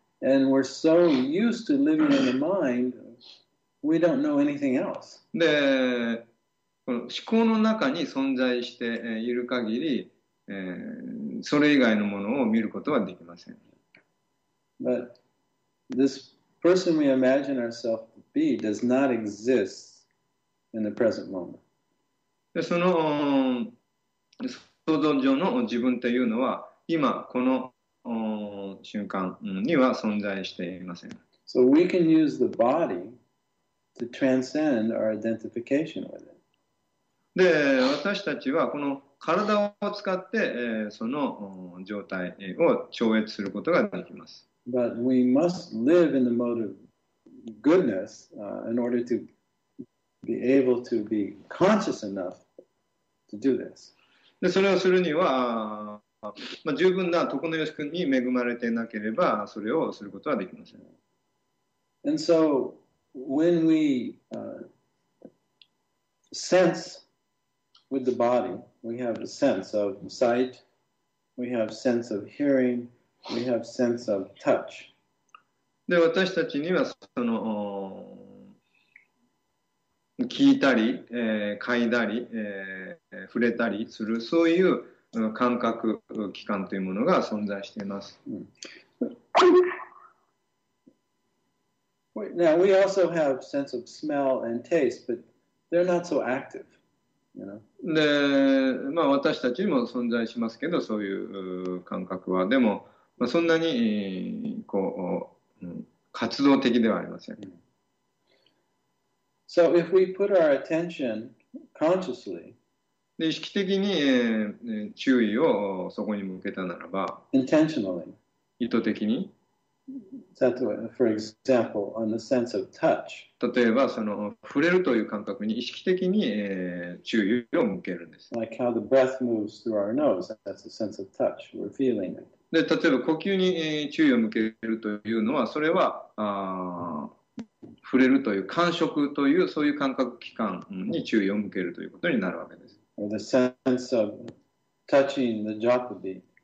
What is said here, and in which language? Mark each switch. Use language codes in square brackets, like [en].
[en] And we're so used to living in the mind, we don't know anything else. [ja] で、この思考の中に存在している限り、それ以外のものを見ることはできません。 [en] But this person we imagine ourselves to be does not exist in the present moment. [ja] で、その想像上の自分というのは、今この瞬間には存在していません。 [en] So we can use the body to transcend our identification with it. [ja] で私たちはこの体を使って、その状態を超越することができます。 [en] But we must live in the mode of goodness, in order to be able to be conscious enough to do this. [ja] で、それをするには、まあ、十分な徳の良しくんに恵まれていなければそれをすることはできません。 [en] And so when we, sense with the body, we have a sense of sight, we have sense of hearing, we have sense of touch. [ja] で、私たちにはその聞いたり、嗅いだり、触れたりするそういう感覚器官というものが存在しています。 [en] Now we also have sense of smell and taste, but they're not so active. [ja] で、まあ私たちも存在しますけど、そういう感覚はでも、まあ、そんなにこう活動的ではありません。 [en] So if we put our attention consciously, [ja] 意識的に、注意をそこに向けたならば、 [en] intentionally, [ja] 意図的に、 [en] for example, on the sense of touch, [ja] 例えばその触れるという感覚に意識的に、注意を向けるんです。 [en] Like how the breath moves through our nose, that's a sense of touch. We're feeling it. [ja] で、例えば呼吸に、注意を向けるというのは、それは、触れるという感触というそういう感覚器官に注意を向けるということになるわけです。 [en] The sense of touching the drop of the